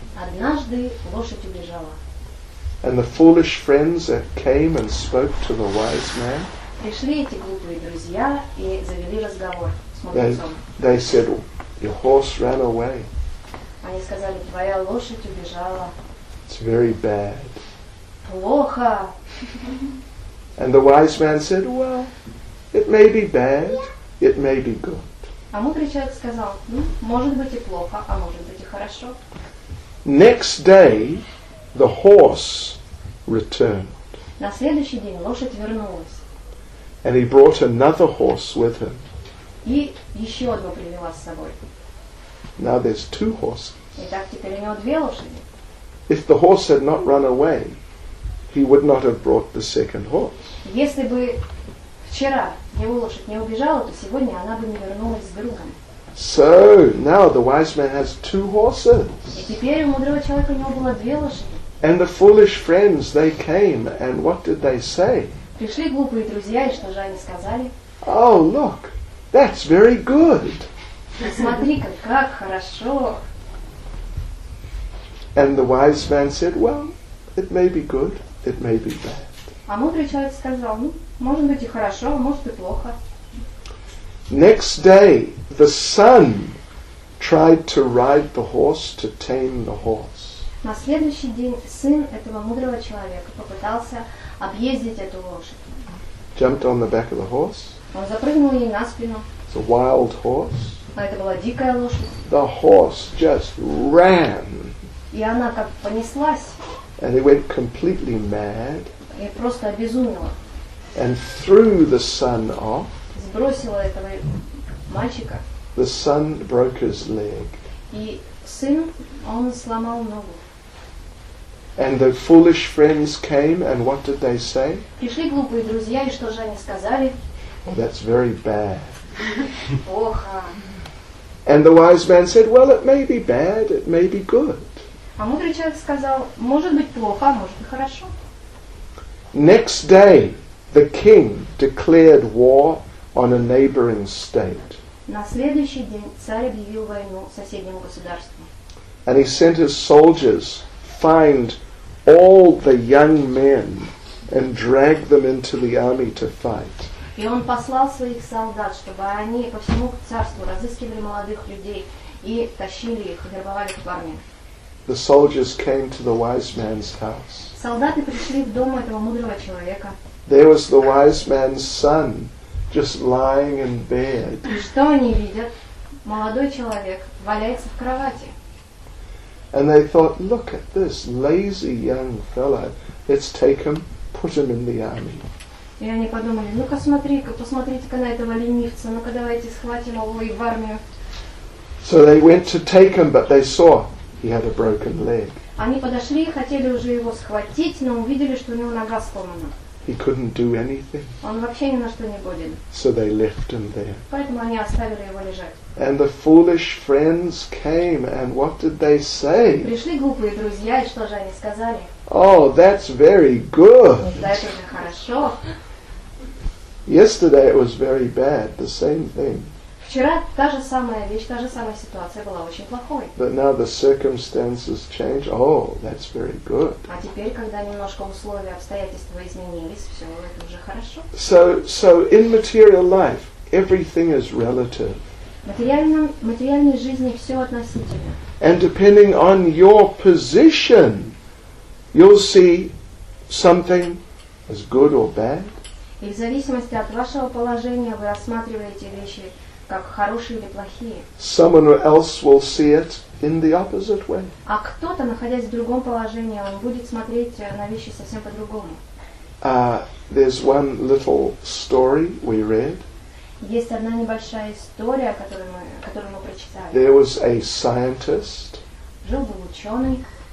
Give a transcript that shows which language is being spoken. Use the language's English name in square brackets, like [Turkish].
[Russian] Однажды лошадь убежала. [English] And the foolish friends that came and spoke to the wise man. [Russian] Пришли эти глупые друзья и завели разговор с мудрецом. [English] They said, "Your horse ran away." [Russian] Они сказали, твоя лошадь убежала. [English] It's very bad. [Russian] Плохо. [English] And the wise man said, "Well, it may be bad, it may be good." [Russian] А мудрый человек сказал, ну, может быть и плохо, а может быть и хорошо. [English] Next day, the horse returned. [Russian] На следующий день лошадь вернулась. [English] And he brought another horse with him. [Russian] И еще одну привела с собой. [English] Now there's two horses. [Russian] Итак, теперь у него две лошади. [English] If the horse had not run away, he would not have brought the second horse. [Russian] Если бы вчера его лошадь не убежала, то сегодня она бы не вернулась с другом. [English] So now the wise man has two horses. [Russian] И теперь у мудрого человека у него было две лошади. [English] And the foolish friends, they came, and what did they say? [Russian] Пришли глупые друзья, и что же они сказали? [English] Oh, look, that's very good. [Russian] Смотри-ка, как хорошо. [English] And the wise man said, well, it may be good, it may be bad. [Russian] А мудрый человек сказал, ну, может быть и хорошо, может и плохо. [English] Next day, the son tried to ride the horse to tame the horse. [Russian] На следующий день сын этого мудрого человека попытался объездить эту лошадь. [English] Jumped on the back of the horse. [Russian] Он запрыгнул ей на спину. [English] It's a wild horse. [Russian] А это была дикая лошадь. [English] The horse just ran. [Russian] И она как понеслась. [English] And he went completely mad. [Russian] И просто обезумела. [English] And threw the son off. [Russian] Сбросила этого мальчика. [English] The son broke his leg. [Russian] И сын, он сломал ногу. [English] And the foolish friends came, and what did they say? [Russian] Пришли глупые друзья, и что же они сказали? [English] Oh, that's very bad. [Russian] Плохо. [English] And the wise man said, well, it may be bad, it may be good. [Russian] А мудрый человек сказал, может быть плохо, а может быть хорошо. [English] Next day, the king declared war on a neighboring state. [Russian] На следующий день царь объявил войну соседнему государству. [English] And he sent his soldiers find all the young men and drag them into the army to fight. [Russian] И он послал своих солдат, чтобы они по всему царству разыскивали молодых людей и тащили их, вербовали их в армию. [English] The soldiers came to the wise man's house. [Russian] Солдаты пришли в дом этого мудрого человека. [English] There was the wise man's son just lying in bed. [Russian] И что они видят? Молодой человек валяется в кровати. [English] And they thought, look at this lazy young fellow. Let's take him, put him in the army. [Russian] И они подумали, ну-ка смотри-ка, посмотрите-ка на этого ленивца, ну-ка давайте схватим его и в армию. [English] So they went to take him, but they saw he had a broken leg. [Russian] Они подошли и хотели уже его схватить, но увидели, что у него нога сломана. [English] He couldn't do anything. [Russian] Он вообще ни на что не годен. [English] So they left him there. [Russian] Поэтому они оставили его лежать. [English] And the foolish friends came, and what did they say? [Russian] Пришли глупые друзья, и что же они сказали? [English] Oh, that's very good. [Russian] Да, это же хорошо. [English] Yesterday it was very bad, the same thing. [Russian] Вчера та же самая вещь, та же самая ситуация была очень плохой. [English] But now the circumstances change. Oh, that's very good. [Russian] А теперь, когда немножко условия, обстоятельства изменились, все это уже хорошо. [English] So in material life, everything is relative. [Russian] Материальной жизни все относительно. [English] And depending on your position, you'll see something as good or bad. [Russian] И в зависимости от вашего положения вы осматриваете вещи как хорошие или плохие. [English] Someone else will see it in the opposite way. [Russian] А кто-то, находясь в другом положении, он будет смотреть на вещи совсем по-другому. [English] There's one little story we read. [Russian] Есть одна небольшая история, которую мы прочитали. [English] There was a scientist. [Russian] Жил был ученый.